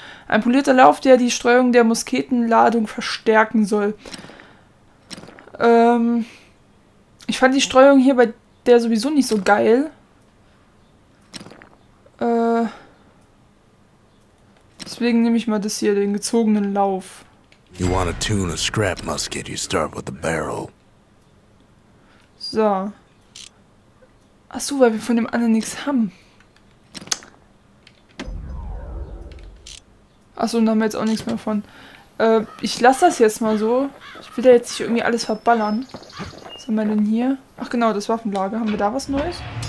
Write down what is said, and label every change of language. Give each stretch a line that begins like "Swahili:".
German: Ein polierter Lauf, der die Streuung der Musketenladung verstärken soll. Ich fand die Streuung hier bei der sowieso nicht so geil. Deswegen nehme ich mal das hier, den gezogenen Lauf.
English: You wanna tune a scrap musket, you start with the barrel. So.
German: Achso, weil wir von dem anderen nichts haben. Achso, und da haben wir jetzt auch nichts mehr von. Ich lasse das jetzt mal so. Ich will da jetzt nicht irgendwie alles verballern. Was haben wir denn hier? Ach genau, das Waffenlager. Haben wir da was Neues?